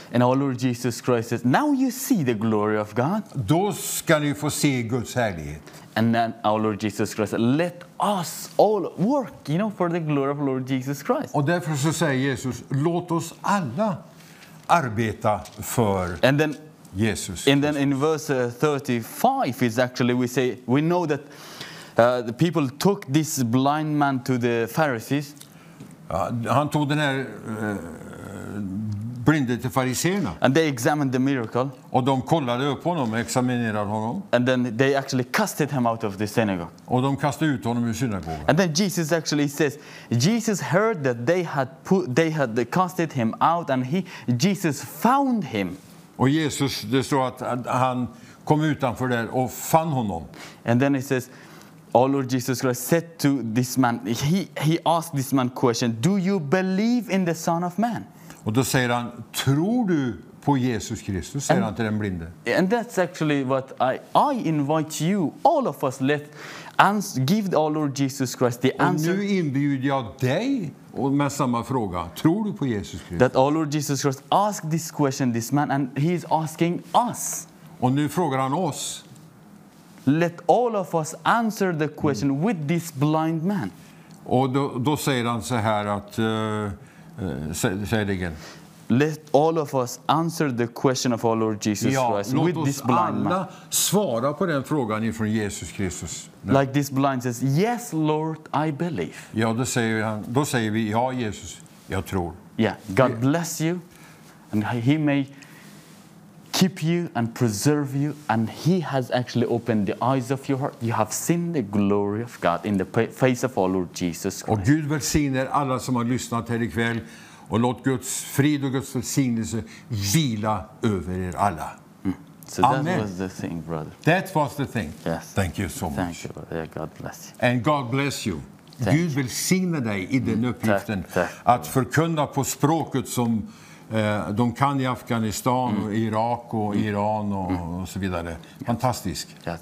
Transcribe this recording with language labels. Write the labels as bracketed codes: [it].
[en] and our Lord Jesus Christ says, now you see the glory of God, [sv] då ska ni få se Guds härlighet. [en] And then our Lord Jesus Christ says, let us all work, you know, for the glory of Lord Jesus Christ. [sv] Och därför så säger Jesus, låt oss alla arbeta för Jesus. [en] And then in verse 35 is actually we know that the people took this blind man to the Pharisees. [sv] Han tog den här blinde till fariseerna. [en] And they examined the miracle. [sv] Och de kollade upp honom, examinerade honom. [en] And then they actually casted him out of the synagogue. [sv] Och de kastade ut honom ur synagogan. [en] And then Jesus actually says, Jesus heard that they had casted him out, and Jesus found him. [sv] Och Jesus, det står att han kom utanför där och fann honom. [en] And then he says, our Lord Jesus Christ said to this man, he asked this man question, do you believe in the Son of Man? [sv] Och då säger han, tror du på Jesus Kristus? Säger han till den blinde. [en] And that's actually what I invite you, all of us, let us give our Lord Jesus Christ the answer. [sv] Och nu inbjuder jag dig med samma fråga. Tror du på Jesus Kristus? [en] That our Lord Jesus Christ asked this question, this man, and he is asking us. [sv] Och nu frågar han oss. [en] Let all of us answer the question with this blind man. [sv] Och då säger han så här att säg det igen. [en] Let all of us answer the question of our Lord Jesus Christ with this blind man. [sv] Låt oss alla svara på den frågan ifrån Jesus Kristus. [en] Like this blind says, yes, Lord, I believe. [sv] Ja, då säger vi, ja, Jesus, jag tror. [en] Yeah, God bless you, and he may keep you and preserve you, and he has actually opened the eyes of your heart. You have seen the glory of God in the face of our Lord Jesus Christ. [sv] Och Gud välsigner alla som har lyssnat här ikväll, och låt Guds frid och Guds välsignelse vila över er alla. [en] So that Amen. Was the thing, brother. That was the thing. Yes. Thank you so much. Thank you, brother. Yeah, God bless you. And God bless you. [sv] Thank Gud välsigne dig i den uppgiften att förkunna på språket som de kan i Afghanistan och Irak och Iran och så vidare. Fantastisk.